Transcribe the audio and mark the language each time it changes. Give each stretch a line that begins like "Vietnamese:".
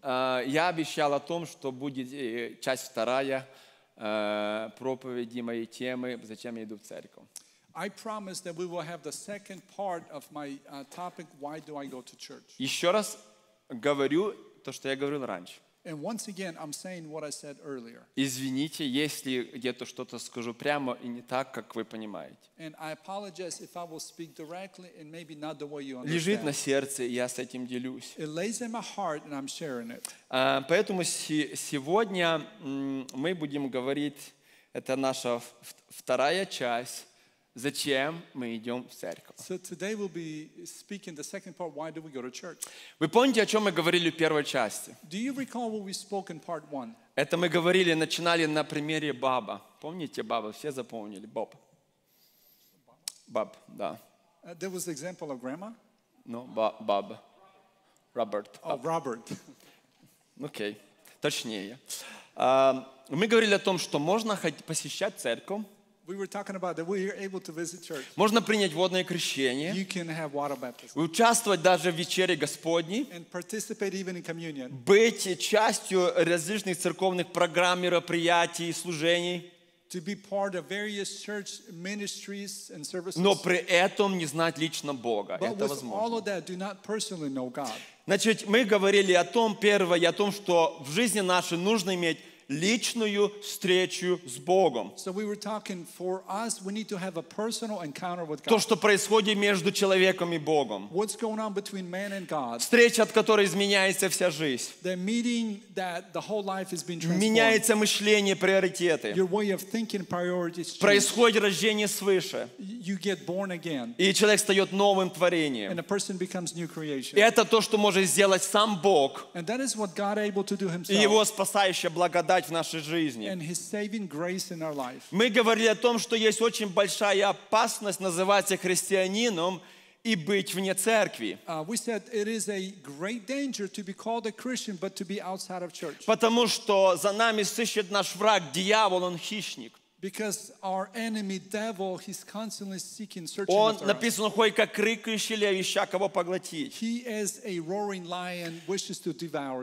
Russian: Я обещал о том, что будет часть вторая проповеди моей темы, зачем я иду в церковь.
English: I promise that we will have the second part of my topic, why do I go to church?
Russian: Еще раз говорю то, что я говорил раньше.
English: And once again, I'm saying what I said earlier.
Russian: Извините, если где-то что-то скажу прямо и не так, как вы понимаете.
English: And I apologize if I will speak directly and maybe not the way you understand.
Russian: Лежит на сердце, я с этим делюсь.
English: It lays in my heart and I'm sharing it.
Russian: Поэтому сегодня мы будем говорить, это наша вторая часть, зачем мы идем в церковь.
English: So today we'll be speaking the second part, why do we go to church?
Russian: Вы помните, о чем мы говорили в первой части?
English: Do you recall what we spoke in part one?
Russian: Это мы говорили, начинали на примере Баба. Помните Баба? Все запомнили. Боб. Баб, да.
English: There was the example of grandma? No, Bob. Robert. Bob. Oh, Robert.
Russian: Окей. Точнее. Мы говорили о том, что можно посещать церковь.
English: We were talking about that we are able to visit church.
Russian: Можно принять водное крещение.
English: You can have water baptism.
Russian: Участвовать даже в вечере Господней.
English: And participate even in communion.
Russian: Быть частью различных церковных программ, мероприятий, служений.
English: To be part of various church ministries and services.
Russian: Но при этом не знать лично Бога.
English: But
Russian: это возможно.
English: All of that, do not personally know God.
Russian: Значит, мы говорили о том, первое, о том, что в жизни нашей нужно иметь личную встречу с Богом.
English: So we were talking, for us, we need to have a personal encounter with God.
Russian: То, что происходит между человеком и Богом.
English: What's going on between man and God?
Russian: Встреча, от которой изменяется вся жизнь.
English: The meeting that the whole life has been transformed.
Russian: Меняется мышление, приоритеты.
English: Your way of thinking, priorities change.
Russian: Происходит рождение свыше.
English: You get born again.
Russian: И человек встает новым творением.
English: And a person becomes new creation.
Russian: И это то, что может сделать сам Бог.
English: And that is what God able to do himself.
Russian: И его спасающая благодать дать в нашей жизни.
English: And his saving grace in our life.
Russian: Мы говорили о том, что есть очень большая опасность называться христианином и быть вне церкви.
English: We said it is a great danger to be called a Christian, but to be outside of church.
Russian: Потому что за нами сыщет наш враг, дьявол, он хищник.
English: Because our enemy, devil, he's constantly seeking, searching.
Russian: Он написано ходит как рыкающий лев, ища кого поглотить.
English: He is a roaring lion, wishes to devour.